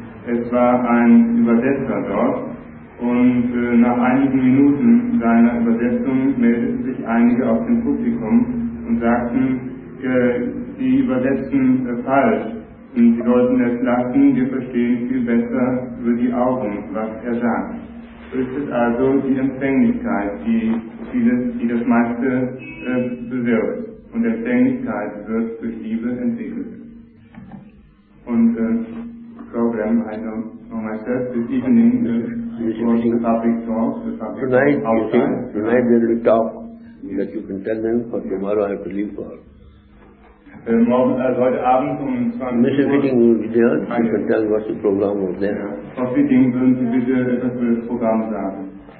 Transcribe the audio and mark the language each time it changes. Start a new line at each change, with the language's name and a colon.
German: Es war ein Übersetzer dort, und nach einigen Minuten seiner Übersetzung meldeten sich einige aus dem Publikum und sagten, die übersetzen falsch und sie sollten es lassen, wir verstehen viel besser über die Augen, was er sagt. So ist es also die Empfänglichkeit, die das meiste bewirkt. Und Empfänglichkeit wird durch Liebe entwickelt.
English: Und Program, I don't know myself, this evening was the public talk, the public tonight, outside. Tonight there will be talk, yes. That you can tell them, for tomorrow I have to leave for.
German: heute Abend um 20 Uhr.
English: Fitting, you can tell what the program was there.
German: Frau Fitting, würden Sie bitte etwas für das Programm sagen?